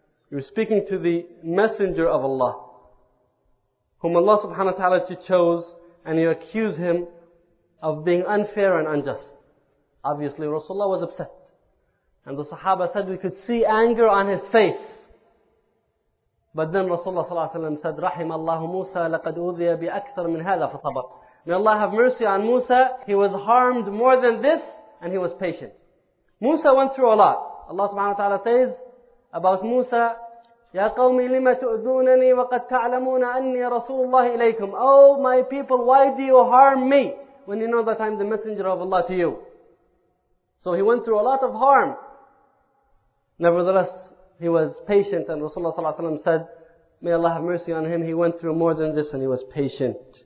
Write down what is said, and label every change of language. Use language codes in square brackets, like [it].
[en] You're speaking to the Messenger of Allah, whom Allah subhanahu wa ta'ala chose, and you accuse him of being unfair and unjust. Obviously, Rasulullah was upset. And the Sahaba said, we could see anger on his face. But then Rasulullah [ar] صلى الله عليه وسلم said, رحم الله موسى لقد أوذي بأكثر من هذا فصبر. [en] May Allah have mercy on Musa. He was harmed more than this and he was patient. Musa went through a lot. Allah subhanahu wa ta'ala says about Musa, [ar] يا قوم لم تؤذونني وقد تعلمون أني رسول الله إليكم. [en] Oh my people, why do you harm me when you know that I'm the messenger of Allah to you? So he went through a lot of harm. Nevertheless, he was patient, and Rasulullah sallallahu alaihi wasallam said, may Allah have mercy on him, he went through more than this and he was patient.